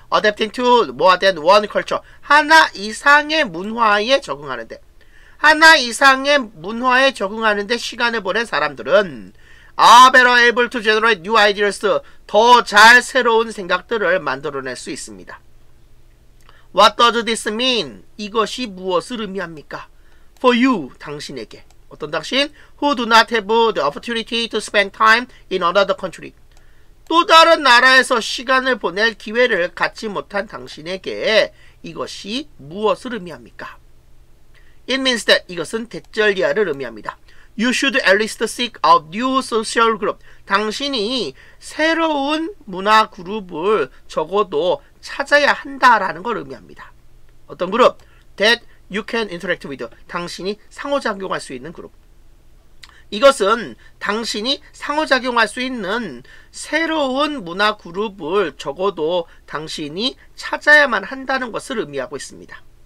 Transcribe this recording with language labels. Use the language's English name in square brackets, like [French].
[English] adapting to, [Korean] 뭐가 된 [English] one culture, [Korean] 하나 이상의 문화에 적응하는데, 하나 이상의 문화에 적응하는데 시간을 보낸 사람들은 [English] are better able to generate new ideas, [Korean] 더 잘 새로운 생각들을 만들어낼 수 있습니다. [English] What does this mean? [Korean] 이것이 무엇을 의미합니까? [English] For you, [Korean] 당신에게. 어떤 당신? [English] Who do not have the opportunity to spend time in another country. [Korean] 또 다른 나라에서 시간을 보낼 기회를 갖지 못한 당신에게 이것이 무엇을 의미합니까? [English] It means that [Korean] 이것은 대절 이하를 의미합니다. [English] You should at least seek a new social group. [Korean] 당신이 새로운 문화 그룹을 적어도 찾아야 한다라는 걸 의미합니다. 어떤 그룹? [English] That you can interact with. [Korean] 당신이 상호작용할 수 있는 그룹. 이것은 당신이 상호작용할 수 있는 새로운 문화 그룹을 적어도 당신이 찾아야만 한다는 것을 의미하고 있습니다.